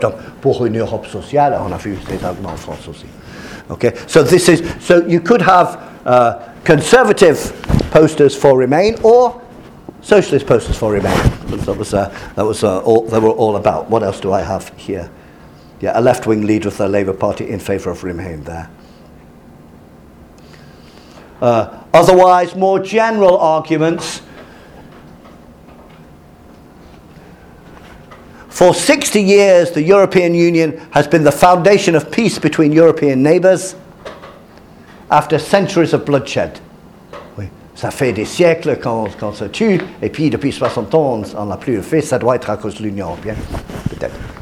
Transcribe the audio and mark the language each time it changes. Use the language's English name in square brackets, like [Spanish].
[French] Donc, pour une Europe sociale, on a vu ces arguments en France aussi. [English] Okay, so you could have conservative posters for Remain or socialist posters for Remain. That was all about. What else do I have here? Yeah, a left-wing leader of the Labour Party in favour of Remain there. Otherwise, more general arguments. For 60 years, the European Union has been the foundation of peace between European neighbours. After centuries of bloodshed, [French] oui. Ça fait des siècles qu'on se tue, et puis depuis 60 ans, on n'a plus le fait. Ça doit être à cause de l'Union européenne, peut-être.